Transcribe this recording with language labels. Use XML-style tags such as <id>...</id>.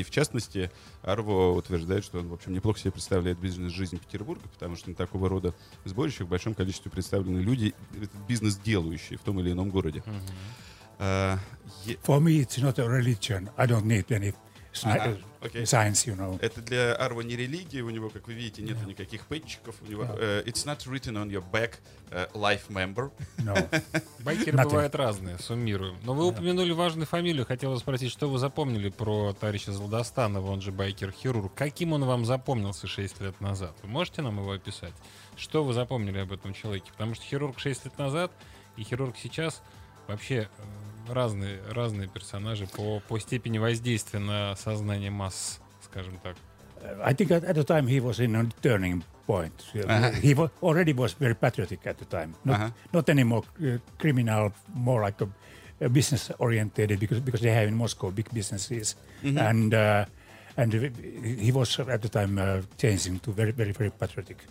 <ru>И, в частности, Арво утверждает, что он, в общем, неплохо себе представляет бизнес-жизнь Петербурга, потому что на такого рода сборищах в большом количестве представлены люди, бизнес-делающие в том или ином городе.</ru> <en>Mm-hmm. For me, it's not a religion. I don't need any... Science, you know.</en> <ru>Это для Арва не религия, у него, как вы видите, нет никаких пэтчиков. У него,</ru> <en>it's not written on your back, life member. No.</en> <ru>Байкеры бывают разные, суммируем. Но вы упомянули важную фамилию. Хотел спросить, что вы запомнили про товарища Злодостанова, он же байкер-хирург. Каким он вам запомнился 6 лет назад? Вы можете нам его описать? Что вы запомнили об этом человеке? Потому что хирург 6 лет назад и хирург сейчас вообще... Разные персонажи по степени воздействия на сознание масс, скажем так.</ru> <en>I think at the time he was in a turning point. Uh-huh. He already was very patriotic at the time. Not anymore criminal, more like a business oriented because they have in Moscow big businesses mm-hmm. and he was at the time changing to very very very patriotic.</en>